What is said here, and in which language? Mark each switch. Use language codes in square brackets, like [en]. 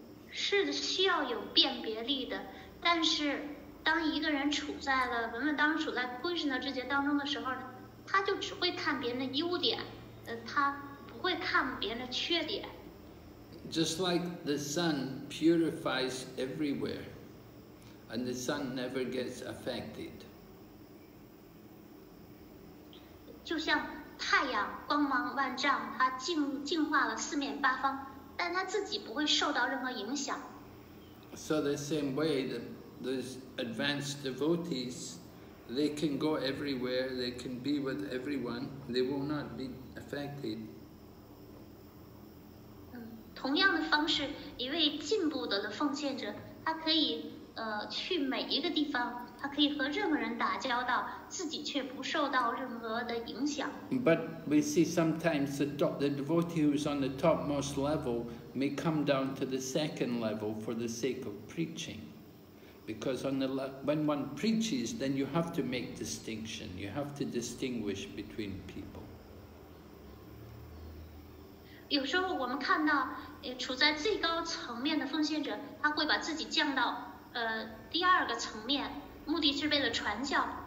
[zh] 是需要有辨别力的，但是当一个人处在了文文当处在 Krishna 之觉当中的时候呢，他就只会看别人的优点，他不会看别人的缺点。 [en] Just like the sun purifies everywhere, and the sun never gets affected. [zh] 就像太阳光芒万丈，它净化了四面八方，但它自己不会受到任何影响。 [en] So the same way, the advanced devotees, they can go everywhere, they can be with everyone, they will not be affected. [zh] 同样的方式，一位进步的奉献者，他可以去每一个地方，他可以和任何人打交道，自己却不受到任何的影响。 [en] But we see sometimes the devotee who is on the topmost level may come down to the second level for the sake of preaching, because when one preaches, then you have to make distinction, you have to distinguish between people. [zh] 有时候我们看到处在最高层面的奉献者，他会把自己降到第二个层面，目的是为了传教。